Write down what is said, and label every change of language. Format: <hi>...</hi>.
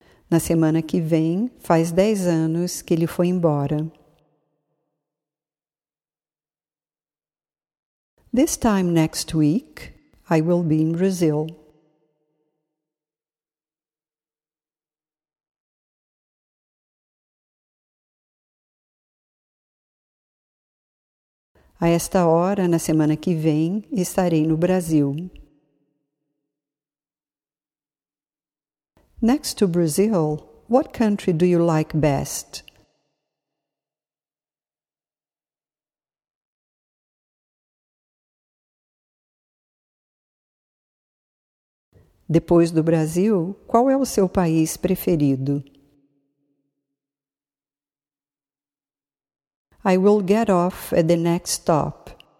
<pt>Na semana que vem, faz 10 anos que ele foi embora.</pt> <en>This time next week, I will be in Brazil.</en> <pt>A esta hora, na semana que vem, estarei no Brasil.</pt> <en>Next to Brazil, what country do you like best?</en> <pt>Depois do Brasil, qual é o seu país preferido?</pt> <en>I will get off at the next stop.</en>